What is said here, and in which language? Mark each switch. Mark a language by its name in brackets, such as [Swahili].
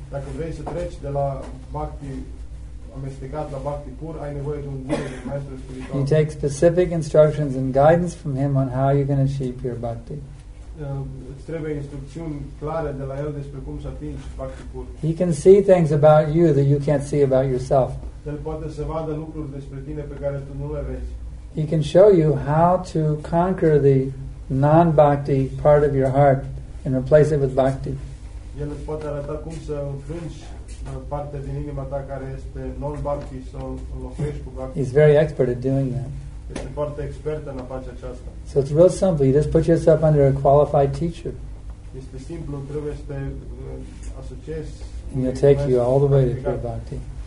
[Romanian] Dacă vrei să treci de la bhakti amestecat la bhakti pur, ai nevoie de un guru, de un maestru spiritual. [English] You take specific instructions and guidance from him on how you're going to achieve pure bhakti. [Romanian] Îți trebuie instrucțiuni clare de la el despre cum să atingi bhakti pur. [English] He can see things about you that you can't see about yourself. [Romanian] El poate să vadă lucruri despre tine pe care tu nu le vezi. [English] He can show you how to conquer the non-bhakti part of your heart and replace it with bhakti. [Romanian] El îți poate arăta cum să înfrângi partea din inima ta care este non-bhakti, să o înlocuiești cu bhakti. [English] He's very expert at doing that. [Romanian] Este foarte expert în a face aceasta. [English] So it's real simple. You just put yourself under a qualified teacher. [Romanian] Este simplu, trebuie să te asociezi. [English] And he'll take you all the way to pure bhakti.